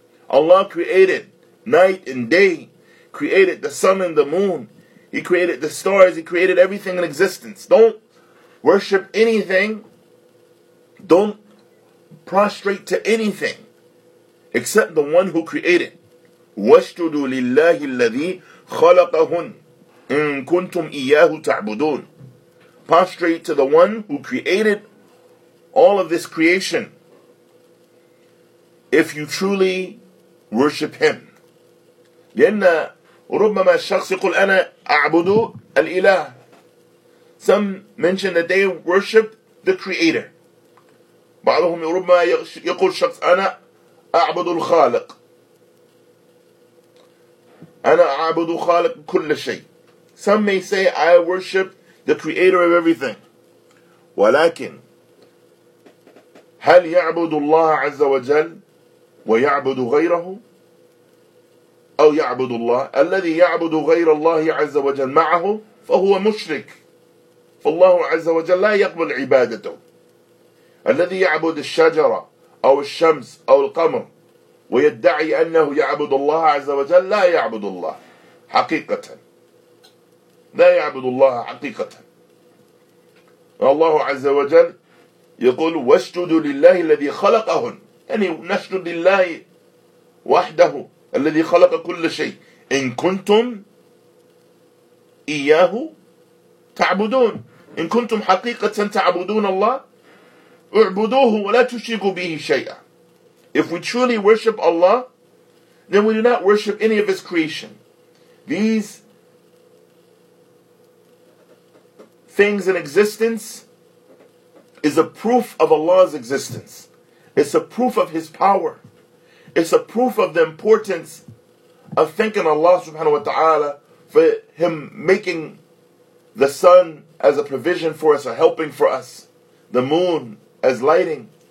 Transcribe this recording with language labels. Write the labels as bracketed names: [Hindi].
[English] Allah created night and day, created the sun and the moon, He created the stars, He created everything in existence. Don't worship anything, don't prostrate to anything, except the one who created. [Arabic] واسجدوا لله الذي خلقهن إن كنتم إياه تعبدون. [English] Prostrate to the one who created all of this creation if you truly worship him. [Arabic] لأن ربما الشخص يقول أنا أعبد الإله. [English] Some mention that they worship the creator. [Arabic] بعضهم ربما يقول شخص أنا أعبد الخالق. أنا أعبد خالق كل شيء. [English] Some may say I worship the creator of everything. [Arabic] ولكن هل يعبد الله عز وجل ويعبد غيره؟ أو يعبد الله الذي يعبد غير الله عز وجل معه فهو مشرك. فالله عز وجل لا يقبل عبادته. الذي يعبد الشجرة أو الشمس أو القمر ويدعي أنه يعبد الله عز وجل لا يعبد الله حقيقة. لا يعبد الله حقيقة. الله عز وجل يقول واسجدوا لله الذي خلقهن. يعني نسجد لله وحده الذي خلق كل شيء. إن كنتم إياه تعبدون. إن كنتم حقيقة تعبدون الله اعبدوه ولا تشركوا به شيئا. [English] If we truly worship Allah, then we do not worship any of His creation. These things in existence is a proof of Allah's existence. It's a proof of His power. It's a proof of the importance of thanking Allah subhanahu wa ta'ala for Him making the sun as a provision for us, a helping for us, the moon as lighting.